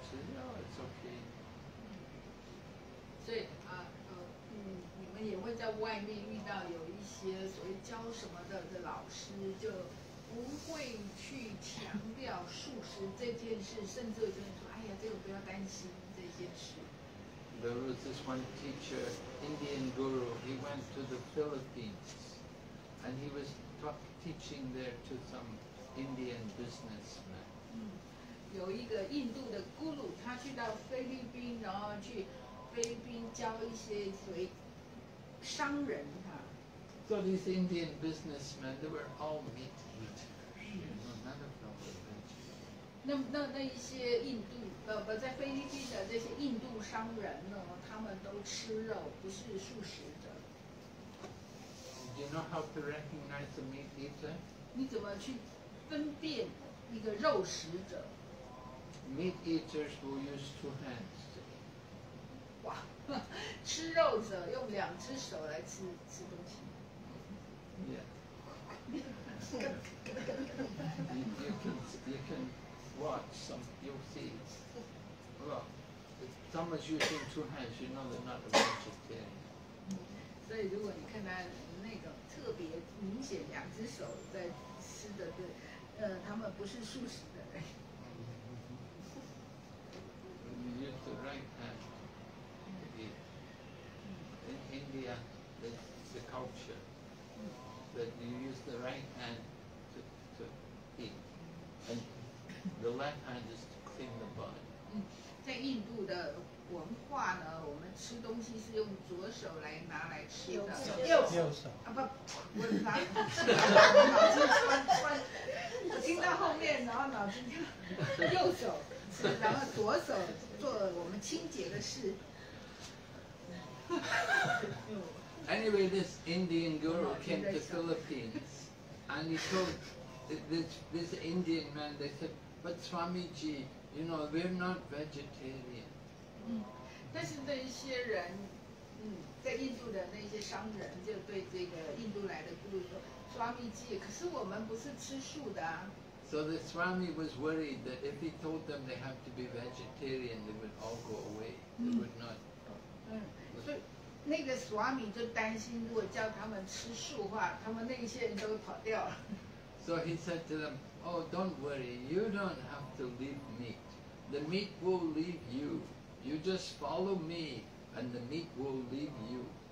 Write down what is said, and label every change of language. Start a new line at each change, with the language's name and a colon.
English: No, it's okay.
Chinese: 所以你们也会在外面遇到有一些所谓教什么的老师，就不会去强调素食这件事，甚至就说，哎呀，这个不要担心这件事。
English: There was this one teacher, Indian guru. He went to the Philippines, and he was teaching there to some Indian businessmen.
Chinese: 有一个印度的咕噜，他去到菲律宾，然后去菲律宾教一些所谓商人哈。
English: So these Indian businessmen, they were all meat eaters. You know, none of them were vegetarian.
Chinese: 那一些印度不在菲律宾的这些印度商人呢，他们都吃肉，不是素食的。
English: Do you know how to recognize a meat eater?
Chinese: 你怎么去分辨一个肉食者？
English: Meat eaters will use two hands.
Chinese: 哇，吃肉者用两只手来吃东西。
English: Yeah. you can watch some. You'll see. Well, if someone's using two hands, you know they're not a vegetarian.
Chinese: 所以如果你看他那个特别明显两只手在吃的，他们不是素食的人。
English: You use the right hand to eat. In India, it's the culture that you use the right hand to eat, and the left hand is to clean the body.
Chinese: 在印度的文化呢，我们吃东西是用左手来拿来吃的。右手啊，不，我拿脑筋穿，我听到后面，然后脑筋就右手，然后左手做我们清洁的事。
English: Anyway, this Indian guru came to Philippines, and he told this Indian man, they said, but Swamiji, you know, we're not vegetarian.
Chinese: 但是那些人，在印度的那些商人就对这个印度来的guru说， Swamiji, 可是我们不是吃素的。
English: So the Swami was worried that if he told them they have to be vegetarian, they would all go away. They would not.
Chinese: 那个 Swami 就担心，如果叫他们吃素的话，他们那些人都跑掉了。
English: So he said to them, "Oh, don't worry. You don't have to leave meat. The meat will leave you. You just follow me, and the meat will leave you."